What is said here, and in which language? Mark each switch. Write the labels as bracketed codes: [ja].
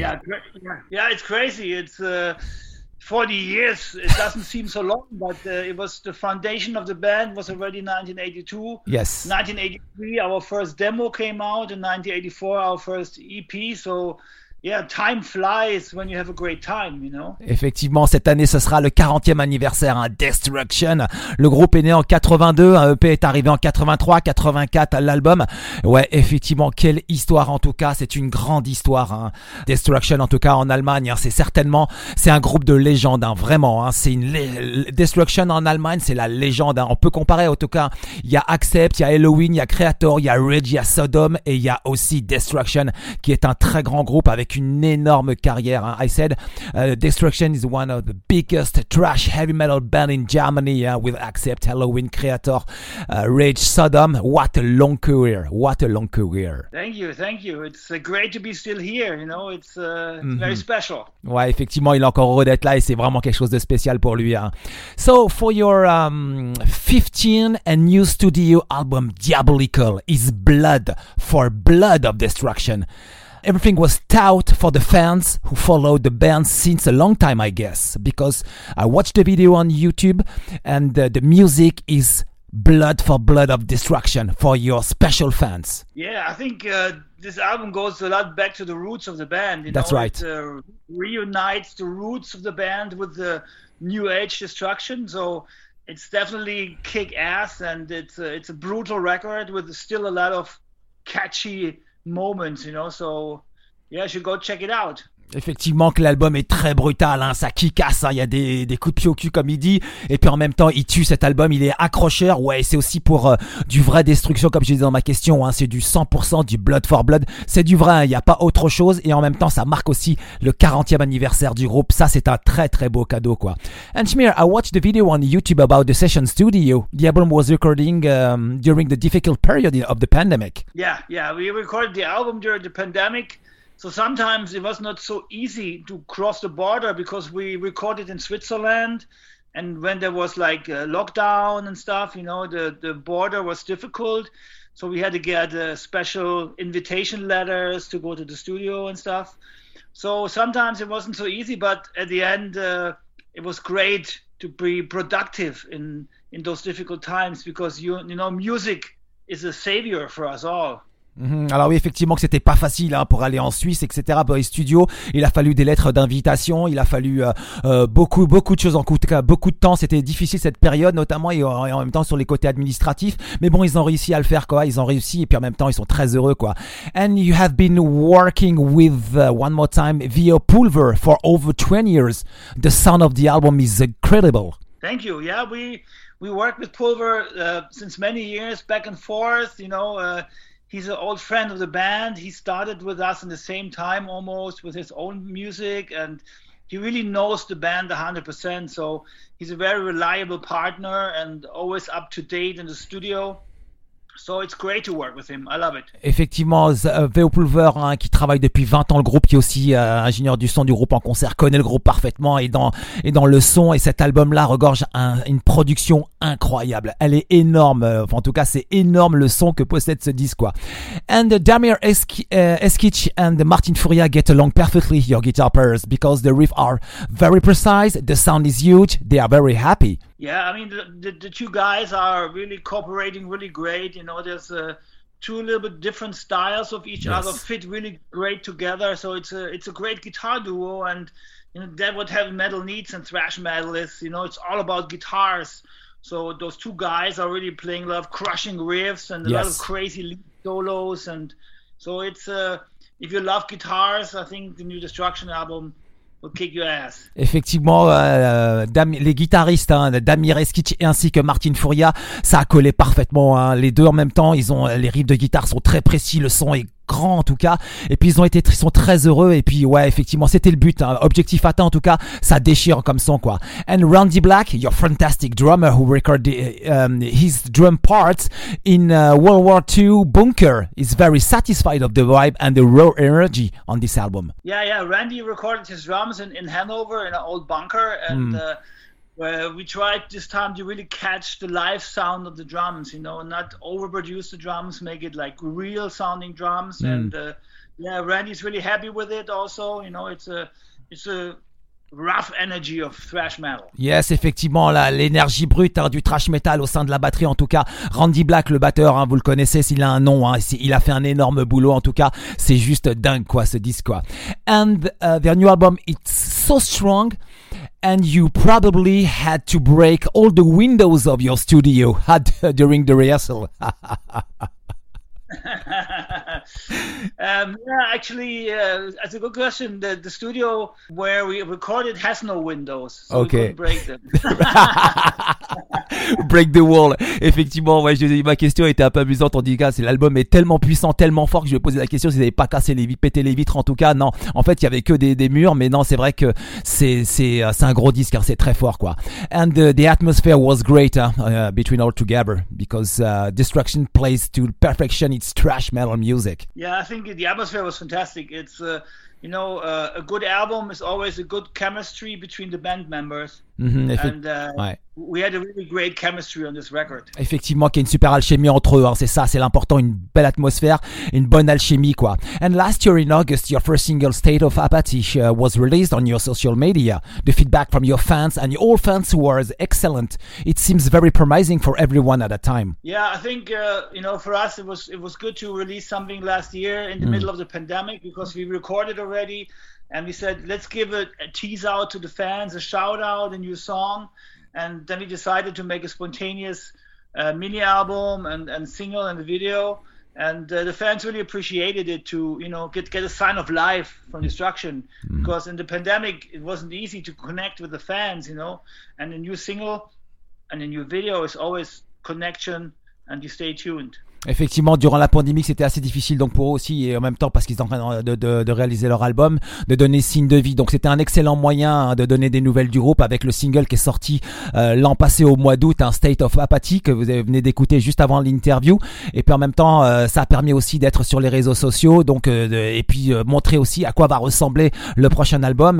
[en] Yeah, it's crazy. It's 40 years. It doesn't seem so long, but it was the foundation of the band was already 1982. Yes. 1983, our first demo came out. In 1984, our first EP. So, yeah, time flies when you have a great time, you know. [fr] Effectivement, cette année, ce sera le 40e anniversaire, Destruction. Le groupe est né en 82, un EP est arrivé en 83, 84, l'album. Ouais, effectivement, quelle histoire en tout cas, c'est une grande histoire. Destruction, en tout cas, en Allemagne, c'est un groupe de légende, vraiment. C'est une Destruction en Allemagne, c'est la légende. On peut comparer, en tout cas, il y a Accept, il y a Halloween, il y a Creator, il y a Rage, il y a Sodom, et il y a aussi Destruction, qui est un très grand groupe avec une énorme carrière. [en] I said, Destruction is one of the biggest trash heavy metal band in Germany, with Accept, Halloween, Creator, Rage, Sodom. What a long career. What a long career. Thank you, thank you. It's great to be still here, you know. It's very special. [fr] Ouais, effectivement, il est encore heureux d'être là et c'est vraiment quelque chose de spécial pour lui. [en] So, for your 15th and new studio album, Diabolical, is Blood for Blood of Destruction. Everything was taut for the fans who followed the band since a long time, I guess, because I watched the video on YouTube and the music is Blood for Blood of Destruction for your special fans. Yeah, I think this album goes a lot back to the roots of the band. You That's know, right. It reunites the roots of the band with the new age Destruction. So it's definitely kick ass and it's a brutal record with still a lot of catchy moments, you know, so yeah, you should go check it out. [fr] Effectivement que l'album est très brutal, ça kick-ass, il y a des coups de pied au cul comme il dit, et puis en même temps il tue cet album, il est accrocheur, ouais, c'est aussi pour du vrai destruction comme je disais dans ma question, c'est du 100% du Blood for Blood, c'est du vrai, il n'y a pas autre chose, et en même temps ça marque aussi le 40e anniversaire du groupe, ça c'est un très très beau cadeau quoi. [en] And Schmier, I watched the video on YouTube about the session studio, the album was recording during the difficult period of the pandemic. Yeah, we recorded the album during the pandemic. So sometimes it was not so easy to cross the border because we recorded in Switzerland, and when there was like a lockdown and stuff, you know, the border was difficult. So we had to get special invitation letters to go to the studio and stuff. So sometimes it wasn't so easy, but at the end, it was great to be productive in those difficult times because you know, music is a savior for us all. [fr] Alors oui, effectivement que c'était pas facile pour aller en Suisse, etc. Pour les studios, il a fallu des lettres d'invitation, il a fallu beaucoup de choses, en tout cas beaucoup de temps. C'était difficile cette période, notamment et en même temps sur les côtés administratifs. Mais bon, ils ont réussi à le faire, quoi. Ils ont réussi et puis en même temps, ils sont très heureux, quoi. [en] And you have been working with one more time via Pulver for over 20 years. The sound of the album is incredible. Thank you. Yeah, we worked with Pulver since many years, back and forth. You know. He's an old friend of the band. He started with us in the same time almost with his own music, and he really knows the band 100%. So he's a very reliable partner and always up to date in the studio. So it's great to work with him. I love it. [fr] Effectivement, Veo Pulver, qui travaille depuis 20 ans le groupe, qui est aussi ingénieur du son du groupe en concert, connaît le groupe parfaitement et dans le son. Et cet album-là regorge une production incroyable. Elle est énorme. Enfin, en tout cas, c'est énorme le son que possède ce disque, quoi. [en] And Damir Eskic and Martin Furia get along perfectly, your guitar players, because the riffs are very precise, the sound is huge, they are very happy. Yeah, I mean, the two guys are really cooperating really great. You know, there's two little bit different styles of each other fit really great together. So it's a great guitar duo. And you know, that's what heavy metal needs and thrash metal is, you know, it's all about guitars. So those two guys are really playing a lot of crushing riffs and a lot of crazy solos. And so it's if you love guitars, I think the new Destruction album will kick your ass. [fr] Effectivement, les guitaristes, Damir Eskic ainsi que Martin Furia, ça a collé parfaitement. Les deux en même temps, ils ont les riffs de guitare sont très précis, le son est cran en tout cas. Et puis ils sont très heureux. Et puis ouais, effectivement, c'était le but, hein. Objectif atteint en tout cas. Ça déchire comme son quoi. [en] And Randy Black, your fantastic drummer who recorded his drum parts in World War II bunker, is very satisfied of the vibe and the raw energy on this album. Yeah. Randy recorded his drums in Hanover in an old bunker and. We tried this time to really catch the live sound of the drums, you know, not overproduce the drums, make it like real sounding drums. Mm. And Randy's really happy with it also, you know, it's a rough energy of thrash metal. [fr] Yes, effectivement, là, l'énergie brute hein, du thrash metal au sein de la batterie, en tout cas. Randy Black, le batteur, hein, vous le connaissez, s'il a un nom, hein, il a fait un énorme boulot, en tout cas. C'est juste dingue, quoi, ce disque, quoi. [en] And their new album, it's so strong, and you probably had to break all the windows of your studio during the rehearsal. That's a good question. The studio where we recorded has no windows, so okay. We couldn't break them. Break the wall. [fr] Effectivement, ouais, ma question était un peu amusante. On dit que l'album est tellement puissant, tellement fort que je vais poser la question si vous n'avez pas pété les vitres. En tout cas, non. En fait, il y avait que des murs, mais non, c'est vrai que c'est un gros disque. Hein, c'est très fort, quoi. [en] And the atmosphere was great between all together because Destruction plays to perfection. It's trash metal music. Yeah, I think the atmosphere was fantastic. It's a good album is always a good chemistry between the band members. We had a really great chemistry on this record. [fr] Effectivement, qu'il y a une super alchimie entre eux, hein, c'est ça, c'est l'important, une belle atmosphère, une bonne alchimie quoi. [en] And last year in August, your first single State of Apathy was released on your social media. The feedback from your fans and your old fans was excellent. It seems very promising for everyone at a time. Yeah, I think for us it was good to release something last year in the middle of the pandemic because we recorded already. And we said, let's give a tease out to the fans, a shout out, a new song. And then we decided to make a spontaneous mini album and single and the video. And the fans really appreciated it to, get a sign of life from Destruction. Mm-hmm. Because in the pandemic, it wasn't easy to connect with the fans, you know. And a new single and a new video is always connection and you stay tuned. [fr] Effectivement, durant la pandémie, c'était assez difficile donc pour eux aussi et en même temps parce qu'ils sont en train de réaliser leur album, de donner signe de vie. Donc c'était un excellent moyen hein, de donner des nouvelles du groupe avec le single qui est sorti l'an passé au mois d'août, hein, State of Apathy, que vous venez d'écouter juste avant l'interview. Et puis en même temps, ça a permis aussi d'être sur les réseaux sociaux donc montrer aussi à quoi va ressembler le prochain album.